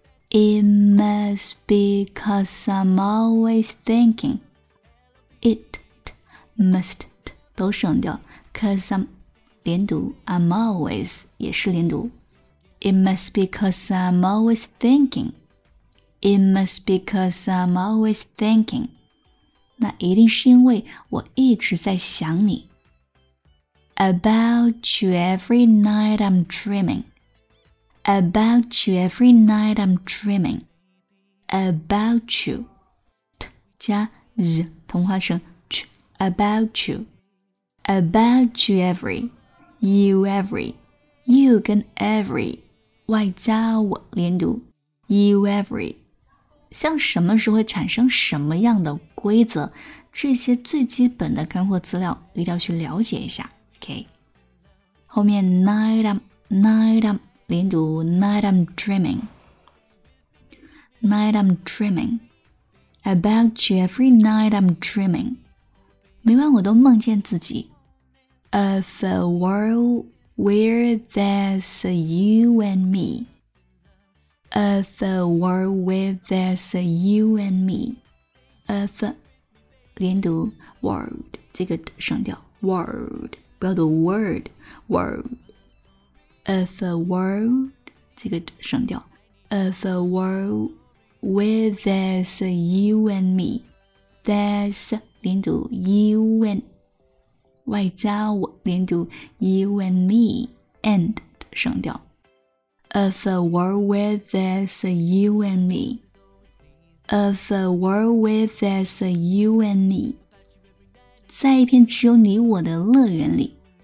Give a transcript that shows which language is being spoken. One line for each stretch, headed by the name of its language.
English: It must be cause I'm always thinking. It must
Chinese: 都省掉
English: cause I'm 连读 I'm always
Chinese: 也是连读
English: It must be cause I'm always thinking. It must be cause I'm always thinking.
Chinese: 那一定是因为我一直在想你。
English: About you every night I'm dreaming. About you every night I'm dreaming. About you. T 加 z 同化成 ch. About you. About you every. You every. You 跟 every.
Chinese: 外加我连读
English: You every.
Chinese: 像什么时候会产生什么样的规则，这些最基本的干货资料一定要去了解一下。
English: Okay. 后面 night I'm, night I'm, 连读 night I'm dreaming, night I'm dreaming, about you every night I'm dreaming,
Chinese: 每晚我都梦见自己
English: of a world where there's a you and me, of a world where there's a you and me, of a, 连读 world,
Chinese: 这个省掉
English: world,
Chinese: 不要读
English: word, world. Of a world,
Chinese: 这个省掉。
English: Of a world where there's a you and me. There's, 连读 you and,
Chinese: 外加我连读
English: you and me, and, 省掉。 Of a world where there's a you and me. Of a world where there's a you and me.
Chinese: 在一片只有你我的乐园里。